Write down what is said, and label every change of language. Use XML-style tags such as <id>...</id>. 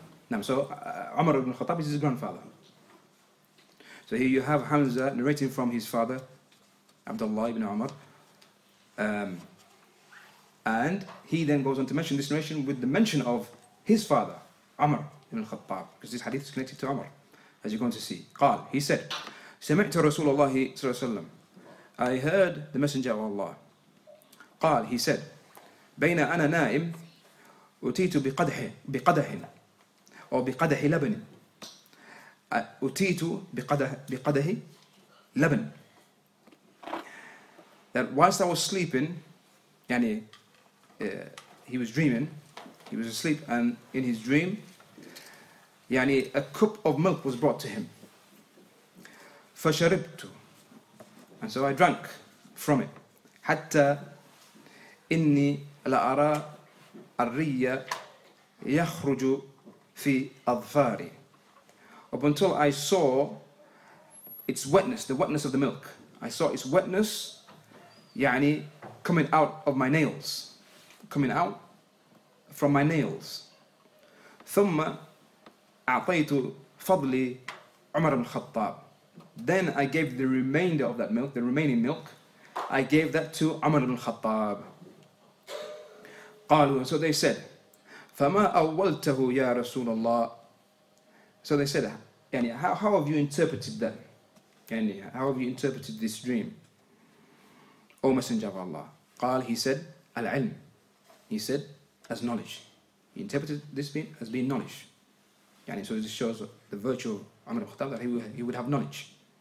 <en>Naam, so Umar ibn Khattab is his grandfather. So here you have Hamza narrating from his father, Abdullah ibn Umar. And he then goes on to mention this narration with the mention of his father, Umar ibn Khattab, because this hadith is connected to Umar, as you're going to see. قال, he said,</en> <ar>سمعت رسول الله صلى الله عليه وسلم,</ar> <en>I heard the Messenger of Allah,</en> <ar>قال,</ar> <en>he said,</en> <ar>بين أنا نائم أتيت بقدح بقدح أو بقدح لبن أتيت بقدح بقدح لبن.</ar> <en>That whilst I was sleeping, يعني he was dreaming, he was asleep, and in his dream, يعني a cup of milk was brought to him.</en> <ar>فشربت,</ar> <en>and so I drank from it.</en> <ar>حتى إني لأرى الري يخرج في أظفاري.</ar> <en>Up until I saw its wetness, the wetness of the milk. I saw its wetness, يعني coming out of my nails, coming out from my nails.</en> <ar>ثم أعطيت فضلي عمر الخطاب.</ar> <en>Then I gave the remainder of that milk, the remaining milk, I gave that to عمر بن الخطاب.</en> <ar>قالوا,</ar> <en>so they said,</en> <ar>فما أولته يا رسول الله.</ar> <en>So they said, يعني, how have you interpreted that? يعني, how have you interpreted this dream? O Messenger of Allah. قال, he said, العلم. He said, as knowledge. He interpreted this being as being knowledge. يعني, so this shows the virtue of عمر بن الخطاب, that he would have knowledge.</en>